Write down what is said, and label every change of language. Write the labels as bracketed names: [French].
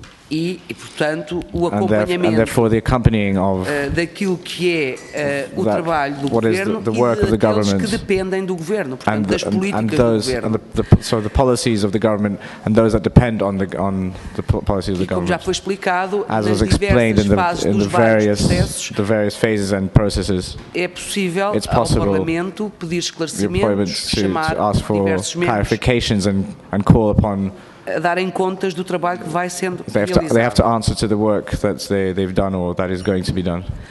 [Portuguese] e portanto o acompanhamento [English] and therefore the accompanying of [Portuguese] daquilo que é o trabalho do governo [English] the work [Portuguese] e daqueles que dependem do governo portanto das políticas [English] and those, [Portuguese] do governo [English] and the policies of the government and those that depend on the policies of the government [Portuguese] como já foi explicado as nas diversas fases [English] and processes [Portuguese] é possível ao Parlamento pedir esclarecimentos chamar [English] clarifications and call upon [Portuguese] a darem contas do trabalho que vai sendo realizado. [English] They have to answer to the work that they've done or that is going to be done.